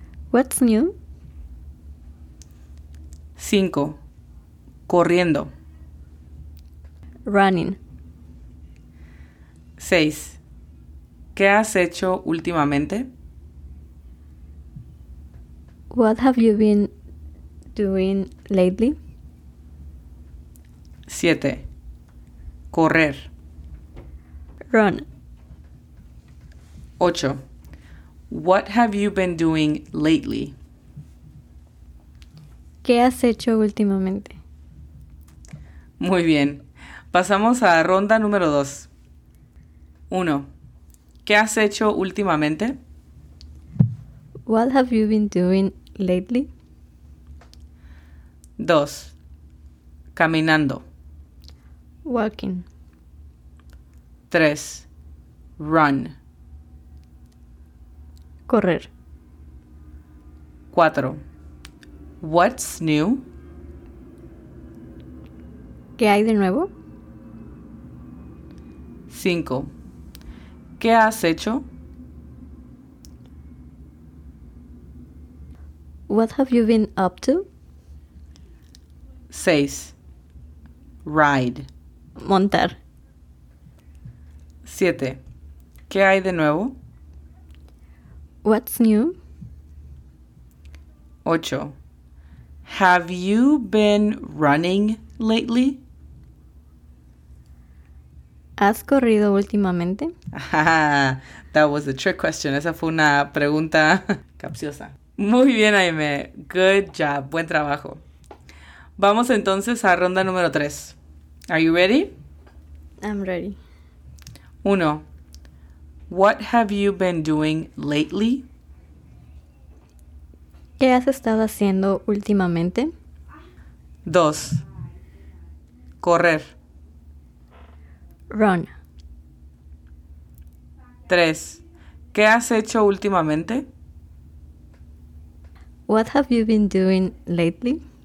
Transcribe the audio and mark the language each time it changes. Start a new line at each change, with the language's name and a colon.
English: What's new?
Spanish: Cinco. Corriendo.
English: Running.
Spanish: Seis. ¿Qué has hecho últimamente?
English: What have you been doing lately?
Spanish: Siete. Correr.
English: Run.
Spanish: Ocho.
English: What have you been doing lately?
Spanish: ¿Qué has hecho últimamente? Muy bien. Pasamos a ronda número 2. 1. ¿Qué has hecho últimamente?
English: What have you been doing lately?
Spanish: 2. Caminando.
English: Walking. 3. Run.
Spanish: Correr.
English: 4. What's new?
Spanish: ¿Qué hay de nuevo? 5. ¿Qué has hecho?
English: What have you been up to? 6. Ride.
Spanish: Montar. 7. ¿Qué hay de nuevo?
English: What's new? 8. Have you been running lately?
Spanish: ¿Has corrido últimamente?
English: That was a trick question.
Spanish: Esa fue una pregunta capciosa. Muy bien, Aime.
English: Good job.
Spanish: Buen trabajo. Vamos entonces a ronda número 3.
English: Are you ready? I'm ready. 1. What have you been doing lately?
Spanish: ¿Qué has estado haciendo últimamente? 2. Correr.
English: Run. 3.
Spanish: ¿Qué has hecho últimamente?
English: What have you been doing lately?